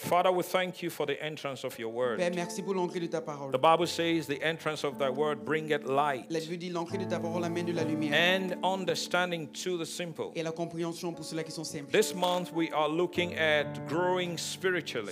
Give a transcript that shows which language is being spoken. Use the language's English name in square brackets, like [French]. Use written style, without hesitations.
[English] Father, we thank you for the entrance of your word. [French] Père, merci pour l'entrée de ta parole. [English] The Bible says the entrance of thy word bringeth light. [French] La Bible dit l'entrée de ta parole amène de la lumière. [English] And understanding to the simple. [French] Et la compréhension pour ceux qui sont simples. [English] This month we are looking at growing spiritually.